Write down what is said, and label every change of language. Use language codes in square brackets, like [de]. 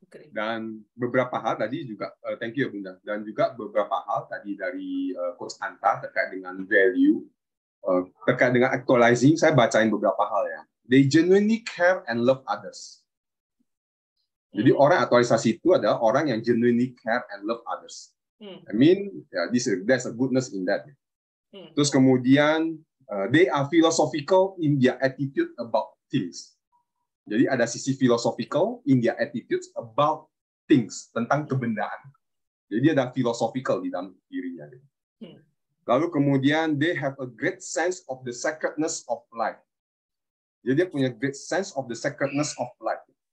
[id] Dan beberapa hal tadi juga, [en] thank you Bunda, [id] dan juga beberapa hal tadi dari Coach Anta terkait dengan value, terkait dengan actualizing, saya bacain beberapa hal ya. [en] They genuinely care and love others. [id] Jadi orang aktualisasi itu adalah orang yang [en] genuinely care and love others. There's a goodness in that. [id] Terus kemudian, [en] they are philosophical in their attitude about things. [id] Jadi ada sisi [en] philosophical in their attitudes about things, [id] tentang kebendaan. Jadi ada philosophical di dalam dirinya. Lalu kemudian, [en] they have a great sense of the sacredness of life. [id] Jadi dia punya [en] great sense of the sacredness of life.